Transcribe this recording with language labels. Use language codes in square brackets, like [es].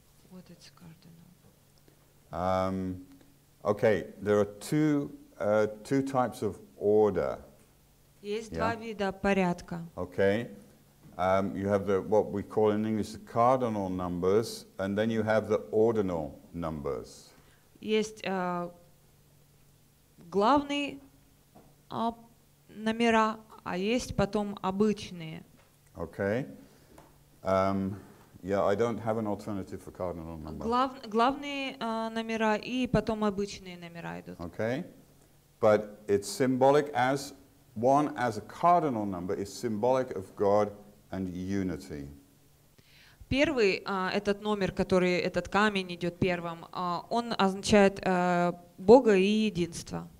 [en] What is cardinal? Okay, there are two types of order. [ru] Есть два вида порядка. [en] Okay. You have the what we call in English the cardinal numbers, and then you have the ordinal numbers. [ru] Есть главные номера, а есть потом обычные. [en] Okay. I don't have an alternative for cardinal number. [ru] Главные номера и потом обычные номера идут. [en] Okay. But it's symbolic as One as a cardinal number is symbolic of God and unity. [ru] Первый этот номер, который этот камень идет первым, он означает Бога и единство.